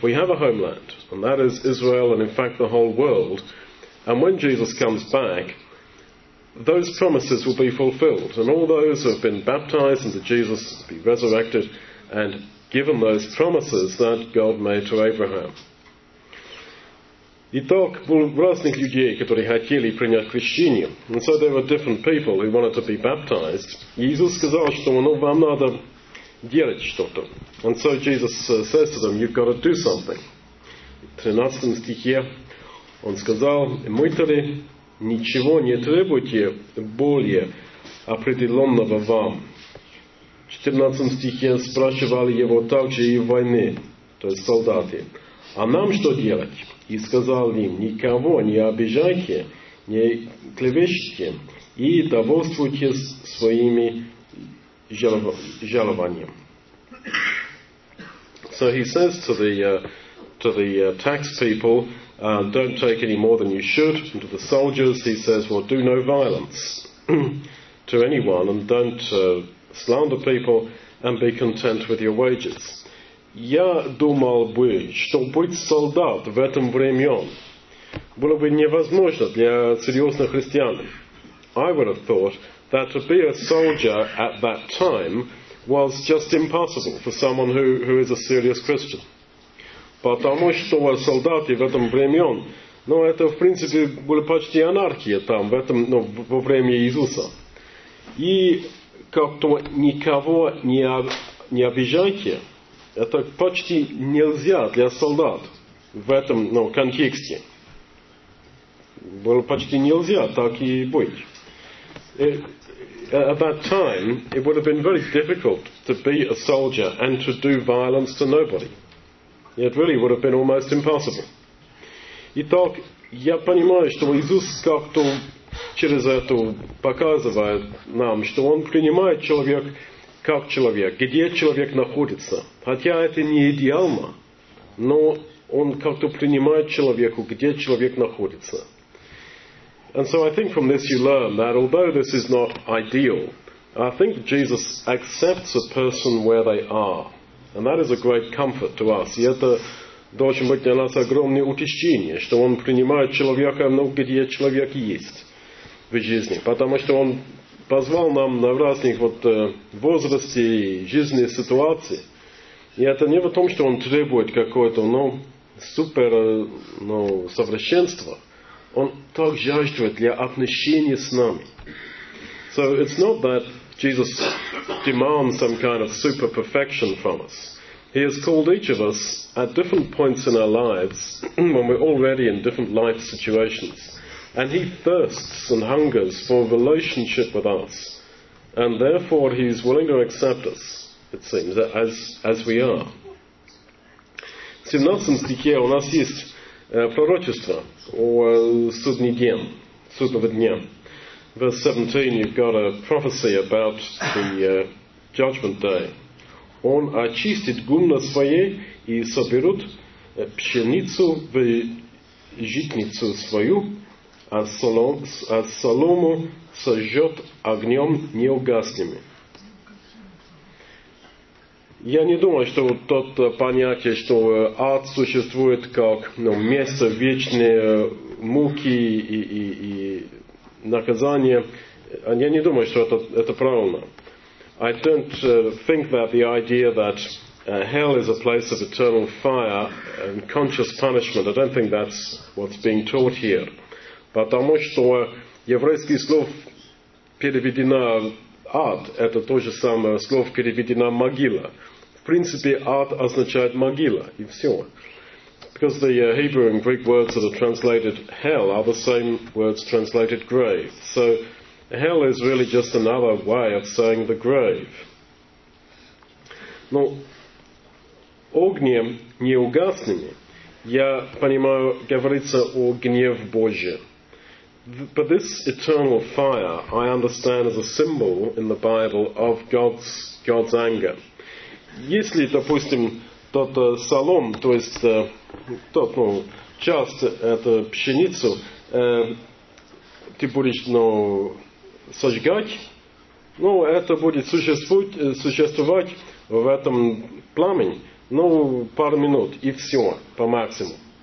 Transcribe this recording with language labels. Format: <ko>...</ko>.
<en>We have a homeland, and that is Israel and in fact the whole world. And when Jesus comes back, those promises will be fulfilled. And all those who have been baptized into Jesus will be resurrected and given those promises that God made to Abraham.</en> <ru>Итак, был разных людей, которые хотели принять крещение.</ru> <en>And so there were different people who wanted to be baptized.</en> <ru>Иисус сказал, что ну, вам надо делать что-то.</ru> <en>And so Jesus says to them, you've got to do something.</en> <ru>В 13 стихе он сказал, мытари, ничего не требуйте более, определенного вам. 14 стих я спрашивал его также и в войне, то есть солдаты. А нам что делать? И сказал им, никого не обижайте, не клевещите и довольствуйте своими жалованиями.</ru> <en>So he says to the taxpeople, don't take any more than you should. And to the soldiers, he says, well, do no violence to anyone and don't slander people and be content with your wages.</en> <ru>Я думал бы, что быть солдат в этом времен было бы невозможно для серьезных христиан.</ru> <en>I would have thought that to be a soldier at that time was just impossible for someone who is a serious Christian.</en> <ru>Потому что солдаты в этом времен, ну это в принципе были почти анархия там, в этом, ну, во время Иисуса. И как-то никого не обижайте. Это почти нельзя для солдат в этом, ну, контексте. Было почти нельзя так и быть.</ru> <en>At that time, it would have been very difficult to be a soldier and to do violence to nobody. It really would have been almost impossible.</en> <ru>Итак, я понимаю, что Иисус как-то через это показывает нам, что Он принимает человек как человек, где человек находится. Хотя это не идеально, но Он как-то принимает человеку, где человек находится.</ru> <en>And so I think from this you learn that although this is not ideal, I think Jesus accepts a person where they are. And that is a great comfort to us.</en> <ru>И это должен быть для нас огромное утешение, что Он принимает человека, ну, где человек есть в жизни. Потому что Он позвал нам на разных вот возрасте и жизненные ситуации. И это не в том, что Он требует какое-то, ну, супер, ну, совершенство. Он так жаждет для отношения с нами.</ru> <en>So it's not that Jesus demands some kind of super perfection from us. He has called each of us at different points in our lives when we're already in different life situations. And he thirsts and hungers for a relationship with us. And therefore he's willing to accept us, it seems, as we are.</en> <ru>В 17 стихе у нас есть пророчество о судный день, судного дня.</ru> <en>Verse 17, you've got a prophecy about the judgment day.</en> <ru>Он очистит гумно свое и соберет пшеницу в житницу свою, а солому сожжет огнем неугасным. Я не думаю, что вот тот понятие, что ад существует как, ну, место вечной муки и наказания, я не думаю, что это правильно.</ru> <en>I don't think that the idea that hell is a place of eternal fire and conscious punishment, I don't think that's what's being taught here.</en> <ru>Потому что еврейский слов переведено ад, это то же самое слов переведено могила. В принципе, ад означает могила, и все.</ru> <en>Because the Hebrew and Greek words that are translated hell are the same words translated grave. So, hell is really just another way of saying the grave.</en> <ru>Но огнем неугасными, я понимаю, говорится о гневе Божьем.</ru> <en>But this eternal fire, I understand as a symbol in the Bible of God's anger.</en> <ru>Если, допустим, тот солом, то есть тот, ну, часть, эту пшеницу, ты будешь, ну, сожигать, ну, это будет существовать в этом пламени, ну, пару минут, и все, по максимуму.</ru>